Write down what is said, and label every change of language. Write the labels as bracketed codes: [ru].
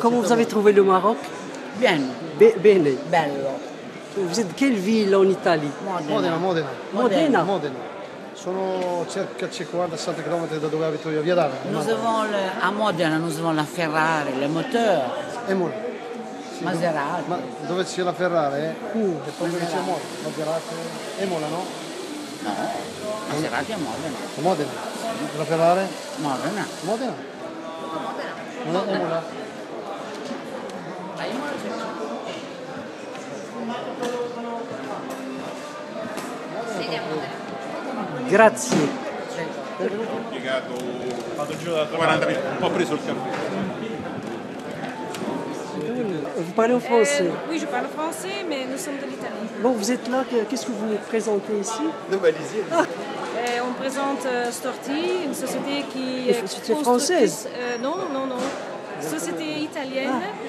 [fr] Comment vous avez trouvé le Maroc? Bien. [it] Bene. Bello. [fr] Vous êtes de quelle ville en Italie? [it] Modena. Modena. Sono circa 50-60 km da dove abito io, via Dana. [fr] A Modena nous avons la Ferrari, le moteur. [it] E molto. Sì, Maserati. Ma dove c'è la Ferrari? E poi c'è Modena. Maserati. E Modena, no? No. Maserati è Modena. Modena. La Ferrari? Modena. Modena. Modena. Modena. Grazie. Ho fatto giù da 40 minuti, un po' preso il caffè. [fr] Vous parlez en français? Oui, je parle français, mais nous sommes de l'Italie. Bon, vous êtes là, qu'est-ce que vous présentez ici? Nous, allez-y. On présente Storti, une société qui... Une société française? Non. Société italienne.